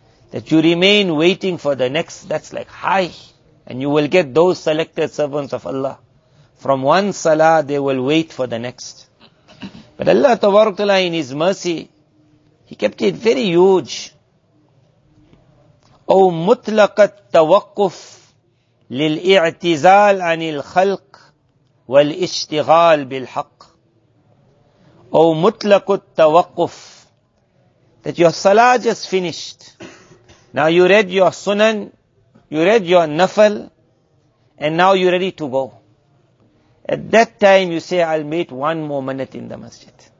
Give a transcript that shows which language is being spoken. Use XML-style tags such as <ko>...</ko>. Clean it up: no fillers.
<en>That you remain waiting for the next, that's like high. And you will get those selected servants of Allah. From one salah, they will wait for the next. But Allah Ta'ala in His mercy, He kept it very huge.</en> <ar>أو مطلق التوقف للاعتزال عن الخلق والاشتغال بالحق. أو مطلق التوقف.</ar> <en>That your salah just finished. Now you read your sunan, you read your nafal, and now you're ready to go. At that time you say, I'll meet one more minute in the masjid.</en>